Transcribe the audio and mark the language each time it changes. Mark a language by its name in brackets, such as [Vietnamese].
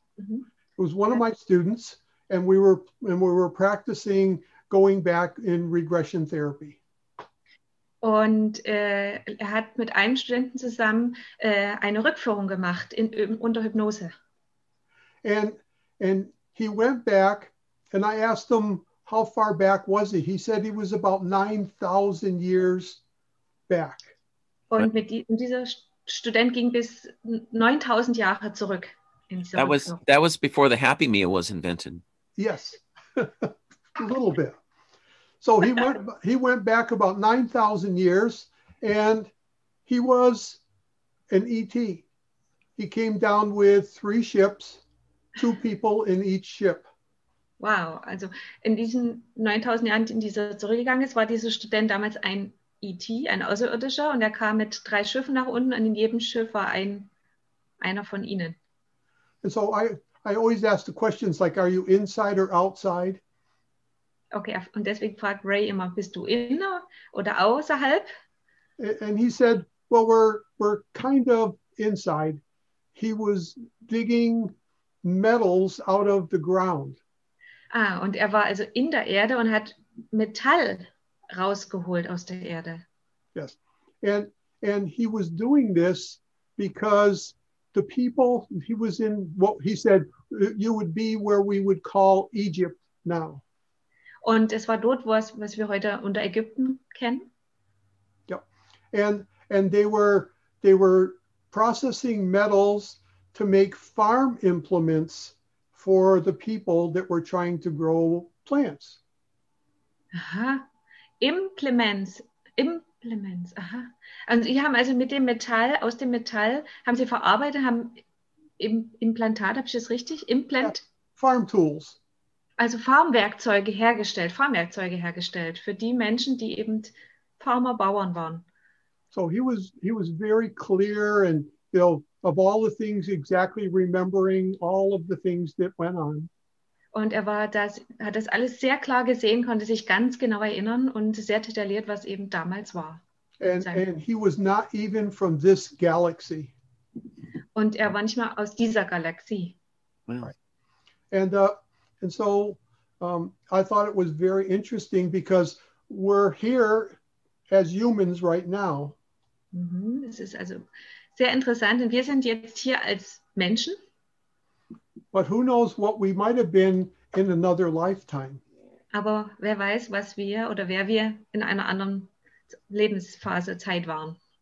[English] It was one of my students, and we were practicing going back in regression therapy. [German] Und er hat mit einem Studenten zusammen eine Rückführung gemacht unter Hypnose. [English] And he went back, and I asked him, how far back was he? He said he was about 9,000 years back. [German] Und dieser Student ging bis 9,000 Jahre zurück. [English] That was before the Happy Meal was invented. Yes, a little bit. So he went back about 9,000 years, and he was an ET. He came down with 3 ships, 2 people in each ship. [German] Wow, also in diesen 9,000 Jahren, in die er zurückgegangen ist, war dieser Student damals ein ET, ein Außerirdischer, und er kam mit 3 Schiffen nach unten, und in jedem Schiff war einer von ihnen. [English] And so I, I always ask the questions like, are you inside or outside? [German] Okay, und deswegen fragt Ray immer, bist du inner oder außerhalb? [English] And he said, well, we're kind of inside. He was digging metals out of the ground. [German] Ah, und er war also in der Erde und hat Metall rausgeholt aus der Erde. [English] Yes. And he was doing this because the people, he was in what he said, you would be where we would call Egypt now. [German] Und es war dort, was wir heute unter Ägypten kennen. [English] Yeah. And they were processing metals to make farm implements for the people that were trying to grow plants. Aha. Implements. Aha. [German] Und sie haben also mit dem Metall, aus dem Metall, haben sie verarbeitet, haben Implantat, habe ich das richtig? [English] Implant? Ja. Farm tools. [German] Also Farmwerkzeuge hergestellt für die Menschen, die eben Farmer, Bauern waren. [English] So he was very clear and, you know, of all the things, exactly remembering all of the things that went on. [German] Und er war das, hat das alles sehr klar gesehen, konnte sich ganz genau erinnern und sehr detailliert, was eben damals war. [English] And he was not even from this galaxy. [German] Und er war nicht mal aus dieser Galaxie. [English] Right. And so I thought it was very interesting because we're here as humans right now. [German] Es ist also sehr interessant, und wir sind jetzt hier als Menschen. [English] But who knows what we might have been in another lifetime? [German] Aber wer weiß, was wir oder wer wir in einer anderen Lebensphase Zeit waren.